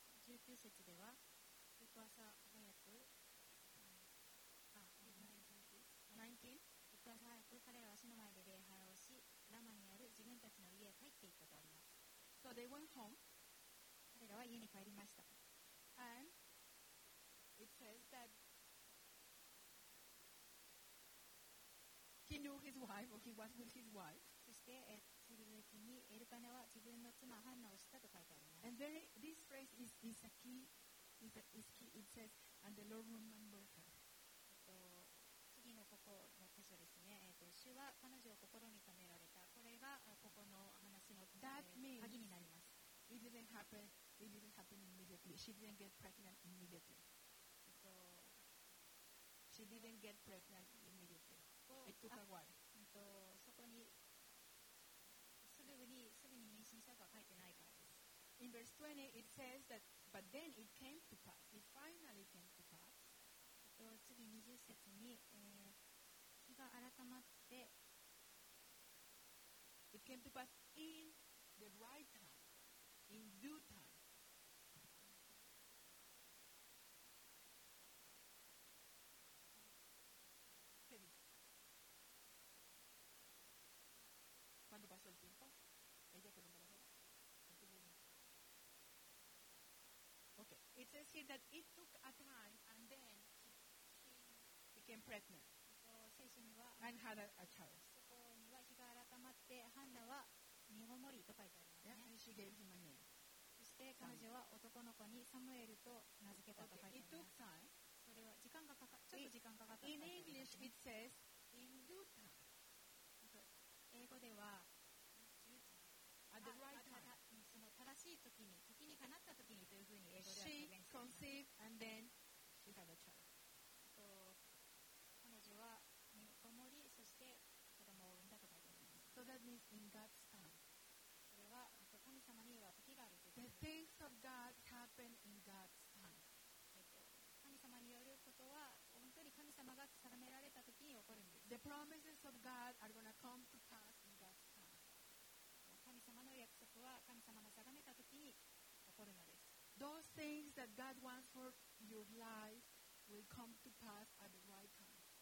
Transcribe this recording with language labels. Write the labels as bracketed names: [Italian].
[Japanese] 19節では翌朝早く、翌朝早く彼は足の前で礼拝をし、ラマにある自分たちの家へ帰っていったとあります。 [English] so they went home. [Japanese] 彼らは家に帰りました。 [English] And it says that he knew his wife, or he was with his wife. [Japanese] そして次の日にエルカナは自分の妻ハンナを知ったと書いてあります。 [English] And there, this phrase is a key, is key. It says, and the Lord remembered her. [Japanese] 次のここの箇所ですね。主は彼女を心に留められた。これがここの話の鍵になります。 [English] It didn't happen. It didn't happen immediately. She didn't get pregnant immediately. She didn't get pregnant immediately. It took a while. [Japanese] そこにすぐに妊娠したとは書いてないからです。 [English] In verse 20, it says that, but then it came to pass. It finally came to pass. [Japanese] 次20節に、日が改まって、 [English] It came to pass in the right time. In due time. [Spanish] ¿Qué dice? ¿Cuándo pasó el tiempo? ¿Ella quedó embarazada? [English] Okay. It says here that it took a time and then she became pregnant and had a child. [Japanese] そこには日が改まってハンナは身ごもりと書いてありますね。 [English] Yeah, and she gave him a name. [Japanese] で彼女は男の子にサムエルと名付けたと書いてます。 [English] Okay. [Japanese] それは時間がかかちょっと時間かかった。 [English] In English it says in due time。 [Japanese] 英語では [English] at the right time。 [Japanese] その正しい時に、時にかなった時にというふうに英語では表現します。 [English] She conceived and then she had a child。 [Japanese] 彼女は身ごもりそして子供を産んだと書いてあります。 [English] So that means in God's time。 [Japanese] それは神様には時があるということです。 [English] The things of God happen in God's time. [Japanese] 神様によることは本当に神様が定められた時に起こるんです。 [English] The promises of God are going to come to pass in God's time. [Japanese] 神様の約束は神様が定めた時に起こるのです。 [English] Those things that God wants for your life will come to pass at the right time.